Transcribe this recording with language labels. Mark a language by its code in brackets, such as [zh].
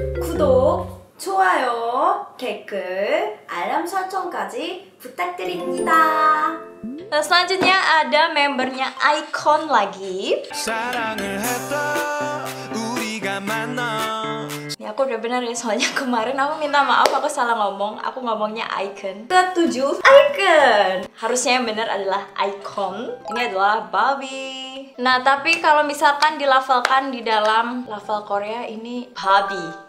[ko] 구독, 좋아요, 댓글, 알람 설정까지 부탁드립니다. [id] Selanjutnya ada membernya Icon lagi. [ko] 사랑을 했다 우리가 만나. [id] Aku udah bener ya, soalnya kemarin aku minta maaf, aku salah ngomong. Aku ngomongnya Icon. Ketujuh, Icon. Harusnya yang bener adalah Icon. Ini adalah Bobby. Nah, tapi kalau misalkan dilafalkan di dalam lafal Korea, ini Bobby.